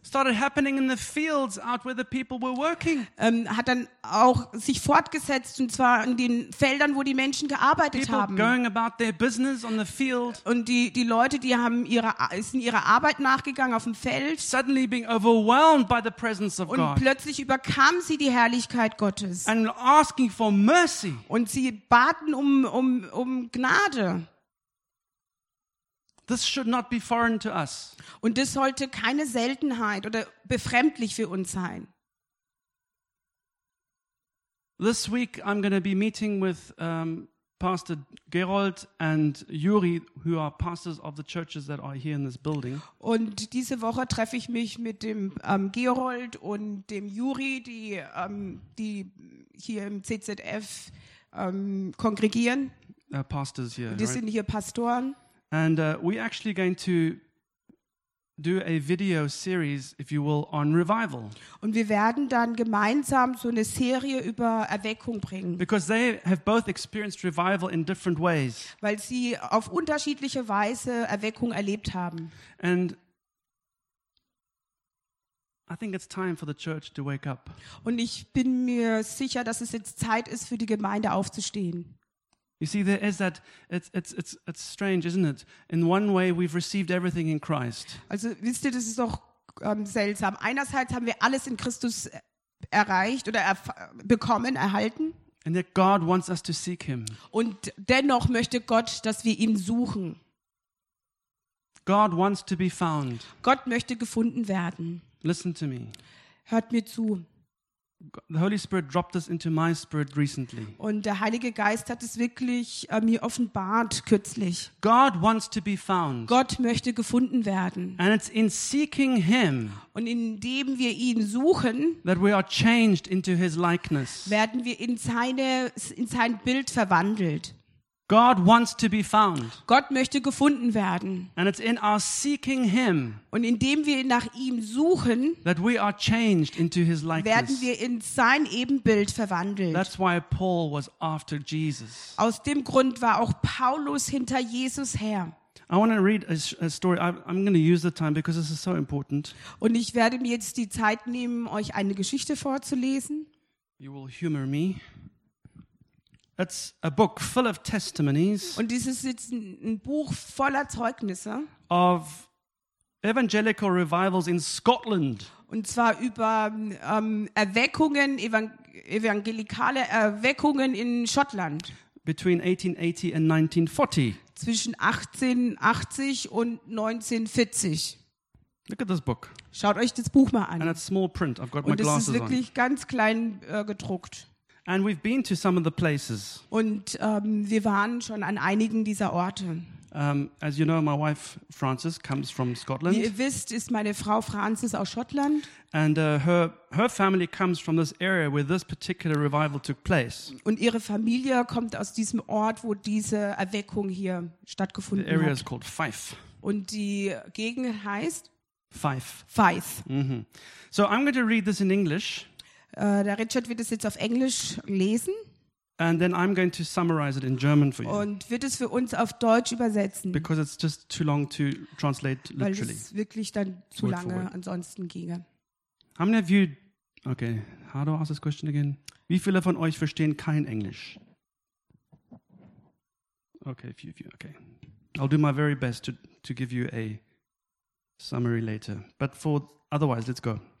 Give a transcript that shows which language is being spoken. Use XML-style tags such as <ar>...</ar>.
<en>Started happening in the fields out where the people were working.</en> <de>Hat dann auch sich fortgesetzt, und zwar in den Feldern, wo die Menschen gearbeitet</de> <en>people</en> <de>haben.</de> <en>People going about their business on the field.</en> <de>Und die Leute, die haben ihrer Arbeit nachgegangen auf dem Feld.</de> <en>Suddenly being overwhelmed by the presence of</en> <de>und</de> <en>God.</en> <de>Und plötzlich überkam sie die Herrlichkeit Gottes.</de> <en>And asking for mercy.</en> <de>Und sie baten um Gnade.</de> <en>This should not be foreign to us.</en> <de>Und das sollte keine Seltenheit oder befremdlich für uns sein.</de> <en>This week I'm going to be meeting with Pastor Gerold and Yuri, who are pastors of the churches that are here in this building.</en> <de>Und diese Woche treffe ich mich mit dem Gerold und dem Yuri, die hier im CZF kongregieren.</de> <en>Pastors here.</en> <de>Die sind hier Pastoren.</de> <en>And we're actually going to do a video series, if you will, on revival.</en> <de>Und wir werden dann gemeinsam so eine Serie über Erweckung bringen.</de> <en>Because they have both experienced revival in different ways.</en> <de>Weil sie auf unterschiedliche Weise Erweckung erlebt haben.</de> <en>And I think it's time for the church to wake up.</en> <de>Und ich bin mir sicher, dass es jetzt Zeit ist, für die Gemeinde aufzustehen.</de> <en>You see, there is that. It's strange, isn't it? In one way, we've received everything in Christ.</en> <de>Also, wisst ihr, das ist doch seltsam. Einerseits haben wir alles in Christus erreicht oder bekommen, erhalten.</de> <en>And yet, God wants us to seek Him.</en> <de>Und dennoch möchte Gott, dass wir ihn suchen.</de> <en>God wants to be found.</en> <de>Gott möchte gefunden werden.</de> <en>Listen to me.</en> <de>Hört mir zu.</de> <en>The Holy Spirit dropped this into my spirit recently.</en> <de>Und der Heilige Geist hat es wirklich mir offenbart kürzlich.</de> <en>God wants to be found.</en> <de>Gott möchte gefunden werden.</de> <en>And it's in seeking Him.</en> <de>Und indem wir ihn suchen,</de> <en>that we are changed into His likeness.</en> <de>Werden wir in sein Bild verwandelt.</de> <en>God wants to be found.</en> <de>Gott möchte gefunden werden.</de> <en>And it's in our seeking Him.</en> <de>Und indem wir nach ihm suchen,</de> <en>that we are changed into His likeness.</en> <de>Werden wir in sein Ebenbild verwandelt.</de> <en>That's why Paul was after Jesus.</en> <de>Aus dem Grund war auch Paulus hinter Jesus her.</de> <en>I want to read a story. I'm going to use the time because this is so important.</en> <de>Und ich werde mir jetzt die Zeit nehmen, euch eine Geschichte vorzulesen.</de> <en>You will humor me. It's a book full of testimonies.</en> <de>Und dieses ist jetzt ein Buch voller Zeugnisse.</de> <en>Of evangelical revivals in Scotland.</en> <de>Und zwar über Erweckungen, evangelikale Erweckungen in Schottland.</de> <en>Between 1880 and 1940.</en> <de>Zwischen 1880 und 1940.</de> <en>Look at this book.</en> <de>Schaut euch das Buch mal an.</de> <en>And it's small print. I've got</en> <de>und</de> <en>my glasses on.</en> <de>Und es ist wirklich ganz klein gedruckt.</de> <en>And we've been to some of the places.</en> <de>Und wir waren schon an einigen dieser Orte.</de> <en>As you know, my wife Frances comes from Scotland.</en> <de>Wie ihr wisst, ist meine Frau Frances aus Schottland.</de> <en>And her family comes from this area where this particular revival took place.</en> <de>Und ihre Familie kommt aus diesem Ort, wo diese Erweckung hier stattgefunden hat.</de> <en>The area is called Fife.</en> <de>Und die Gegend heißt Fife. Fife. Mm-hmm.</de> <en>So I'm going to read this in English.</en> <de>Der Richard wird es jetzt auf Englisch lesen.</de> <en>And then I'm going to summarize it in German for you.</en> <de>Und wird es für uns auf Deutsch übersetzen.</de> <en>Because it's just too long to translate literally.</en> <de>Weil es wirklich dann zu lange ansonsten ginge.</de> <en>How many of you, okay, how do I ask this question again?</en> <de>Wie viele von euch verstehen kein Englisch?</de> <en>Okay, a few of you, okay. I'll do my very best to give you a summary later. But for, otherwise, let's go.</en>